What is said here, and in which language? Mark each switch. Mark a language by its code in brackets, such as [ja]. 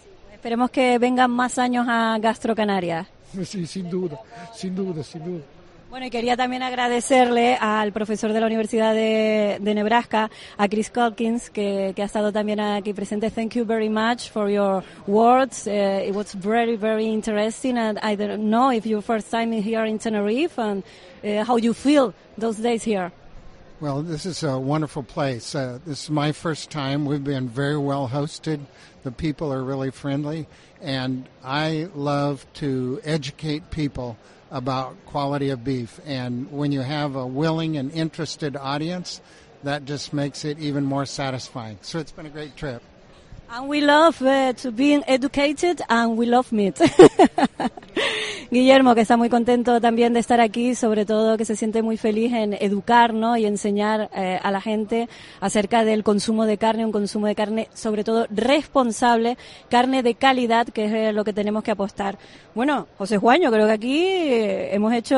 [es] Esperemos que vengan más años a Gastro Canarias. Sí, sin duda, sin duda, sin duda. Bueno, y quería también agradecerle al profesor de la Universidad de Nebraska, a Chris Calkins, que ha estado también aquí presente. [en] Thank you very much for your words. It was very, very interesting. And I don't know if your first time here in Tenerife and how you feel those days here. Well, this is a wonderful place. This is my first time. We've been very well hosted. The people are really friendly. And I love to educate people about quality of beef, and when you have a willing and interested audience, that just makes it even more satisfying. So it's been a great trip. And we love to be educated, and we love meat. [es] Guillermo, que está muy contento también de estar aquí, sobre todo que se siente muy feliz en educar, ¿no?, y enseñar a la gente acerca del consumo de carne, un consumo de carne sobre todo responsable, carne de calidad, que es lo que tenemos que apostar. Bueno, José Juaño, creo que aquí hemos hecho...